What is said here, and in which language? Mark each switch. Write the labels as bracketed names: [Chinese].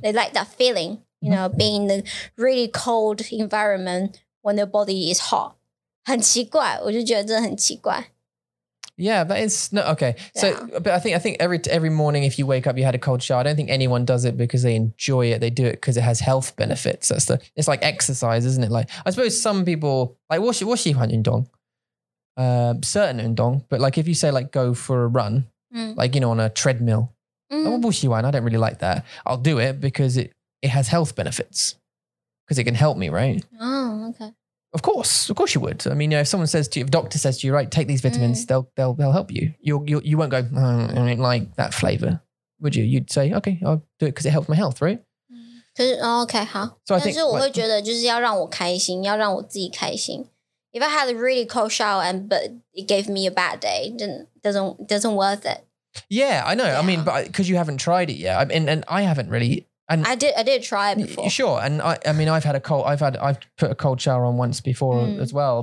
[English] ，they like that feeling， you know， being in the really cold environment when their body is hot。 [Chinese] 很奇怪，我就觉得真的很奇怪。 [English] Yeah, that is no okay. So,、yeah. but I think every morning if you wake up, you had a cold shower. I don't think anyone does it because they enjoy it. They do it because it has health benefits. That's the it's like exercise, isn't it? Like I suppose some people like [Chinese] 我喜欢运动 [English] certain 运动 but like if you say like go for a run,、mm. like you know on a treadmill,、mm. [Chinese] 我不喜欢 [English] I don't really like that. I'll do it because it has health benefits because it can help me, right? Oh, okay. Of course you would. I mean, you know, if someone says to you, if a doctor says to you, right, take these vitamins,、mm. they'll help you. You won't go,、I don't like that flavor, would you? You'd say, okay, I'll do it because it helps my health, right? [Chinese] 可是 okay, 好。 [English] So I think, [Chinese] 但是我会觉得就是要让我开心，要让我自己开心。 [English] If I had a really cold shower and but it gave me a bad day, then doesn't worth it. Yeah, I know. Yeah. I mean, but because you haven't tried it yet. I mean, and I haven't really... And I did try it before. Sure. And I mean, I've put a cold shower on once before、mm. as well.